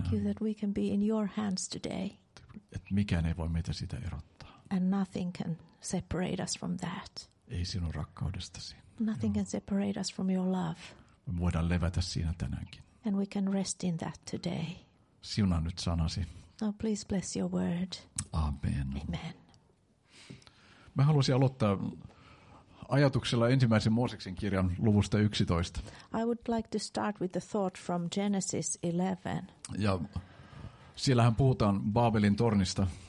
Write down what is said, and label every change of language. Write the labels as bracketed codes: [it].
[en] Thank you that we can be in your hands today. [fi] Et mikään ei voi meitä sitä erottaa. [en] And nothing can separate us from that. [fi] Ei sinun rakkaudestasi. [en] Nothing can separate us from your love. [fi] Me voidaan levätä siinä tänäänkin. [en] And we can rest in that today. [fi] Siunaa nyt sanasi. [en] Now please bless your word. Amen. Amen. [fi] Mä haluaisin aloittaa ajatuksella ensimmäisen Mooseksen kirjan luvusta 11. [en] I would like to start with the thought from Genesis 11. [fi] Ja siellähän puhutaan Baabelin tornista.